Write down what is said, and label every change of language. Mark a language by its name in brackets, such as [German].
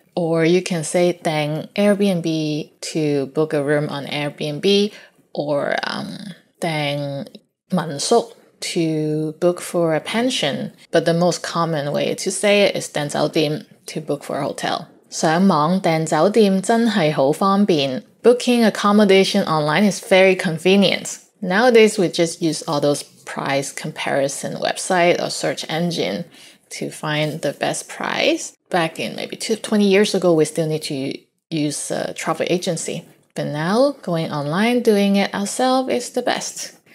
[English] Or you can say 订 Airbnb to book a room on Airbnb, or 订 民宿 to book for a pension. But the most common way to say it is 订酒店 to book for a hotel. [Cantonese] 上网订酒店真系好方便. [English] Booking accommodation online is very convenient. Nowadays, we just use all those price comparison website or search engine to find the best price. Back in maybe 20 years ago, we still need to use a travel agency. But now, going online, doing it ourselves is the best.